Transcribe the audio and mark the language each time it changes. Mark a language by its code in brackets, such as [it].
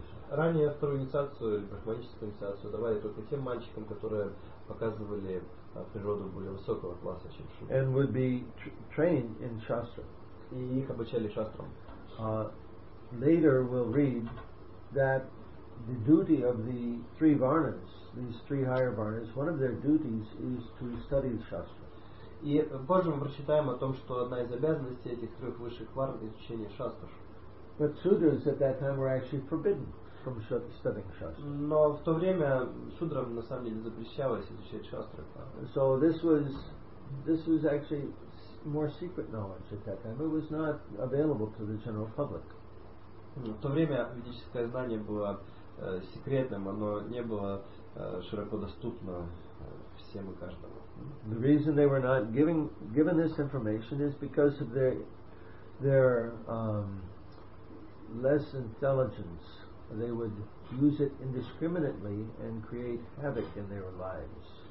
[ru] Ранее вторую инициацию, брахманическую инициацию, давали только тем мальчикам, которые показывали природу более высокого класса, чем Шрила. [en] And would be trained in Shastra. [ru] И их обучали шастрам. [en] Later we'll read that the duty of the three varnas, these three higher varnas, one of their duties is to study Shastra. [ru] И позже мы прочитаем о том, что одна из обязанностей этих трех высших варн – изучение шастр. [en] But sudras at that time were actually forbidden from studying shastra. [ru] Но в то время судрам на самом деле запрещалось изучать шастры. [en] So this was actually more secret knowledge at that time. It was not available to the general public. [ru] В то время ведическое знание было секретным, оно не было широко доступно всем и каждому. [en] The reason they were not given this information is because of their less intelligence, they would use it indiscriminately and create havoc in their lives.